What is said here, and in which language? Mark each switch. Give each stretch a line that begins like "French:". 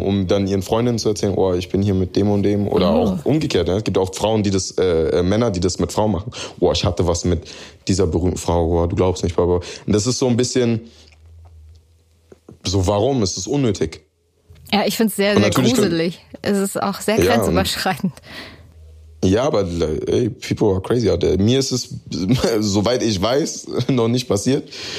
German: Um dann ihren Freundinnen zu erzählen, oh, ich bin hier mit dem und dem. Oder auch umgekehrt. Ja? Es gibt auch Frauen, die das, Männer, die das mit Frauen machen. Oh, ich hatte was mit dieser berühmten Frau, oh, du glaubst nicht, Baba. Und das ist so ein bisschen. So, warum? Es ist unnötig. Ja, ich finde es sehr, sehr gruselig. Es ist auch sehr grenzüberschreitend. Ja, aber ey,
English: people are crazy out there.
German: Mir ist es, soweit ich weiß, noch nicht passiert.